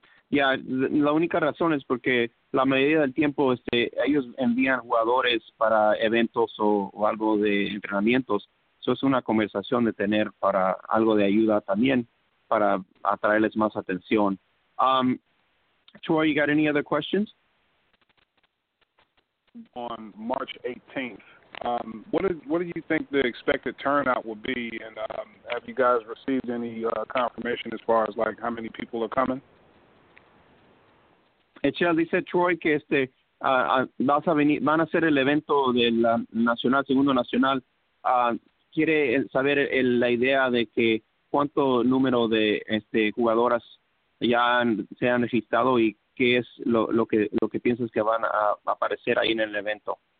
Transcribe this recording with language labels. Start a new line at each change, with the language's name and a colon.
Spanish: Ya, la única razón es porque la mayoría del tiempo ellos envían jugadores para eventos o algo de entrenamientos. Eso es una conversación de tener para algo de ayuda también, para atraerles más atención.
English: Troy, you got any other questions? On March 18th, what do you think the expected turnout will be? And have you guys received any confirmation as far as like how many people are coming?
Spanish: Echel dice Troy que vas a venir, van a hacer el evento del nacional, segundo nacional. Quiere saber la idea de que cuánto número de jugadoras ya se han registrado y qué es lo que piensas que van a aparecer ahí en el evento.